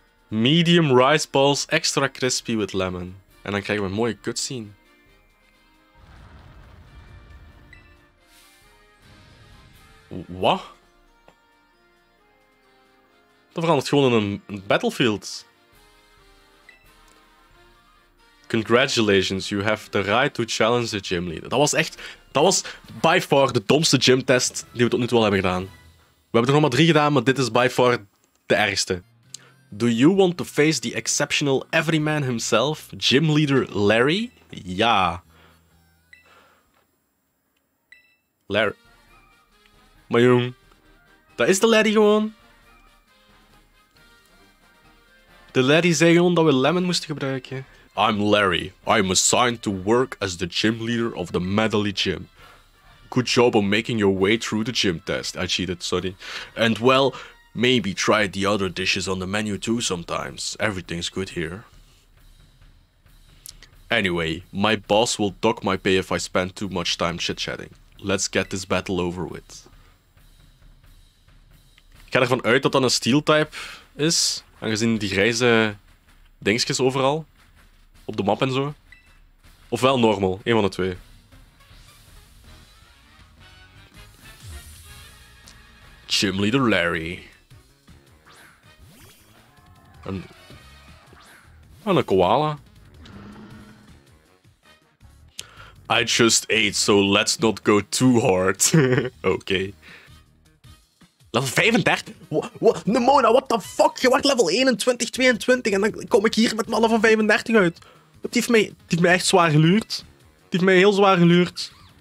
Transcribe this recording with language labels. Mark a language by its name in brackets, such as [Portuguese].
[English] Medium rice balls, extra crispy with lemon. [Dutch] En dan krijgen we een mooie cutscene. Wat? Dat verandert gewoon in een battlefield. [English] Congratulations, you have the right to challenge the gym leader. [Dutch] Dat was echt... Dat was by far de domste gym test die we tot nu toe al hebben gedaan. We hebben er nog maar 3 gedaan, maar dit is by far de ergste. [English] Do you want to face the exceptional everyman himself, gym leader Larry? [Dutch] Ja. Larry. Maar jong, dat is de Larry gewoon. De Larry zei gewoon dat we lemon moesten gebruiken. [English] I'm Larry. I'm assigned to work as the gym leader of the Medali Gym. Good job on making your way through the gym test. I cheated, sorry. And well, maybe try the other dishes on the menu too sometimes. Everything's good here. Anyway, my boss will dock my pay if I spend too much time chit-chatting. Let's get this battle over with. [Dutch] Ik ga ervan uit dat dat een steel type is, aangezien die grijze dingetjes overal. Op de map en zo. Ofwel normal, één van de twee. [English] Gym leader Larry. [Dutch] En een koala. [English] I just ate, so let's not go too hard. Oké. Level 35? Nemona, what the fuck? [Dutch] Je wacht level 21, 22 en dan kom ik hier met mannen van 35 uit. Die heeft mij echt zwaar geluurd. Die heeft mij heel zwaar geluurd.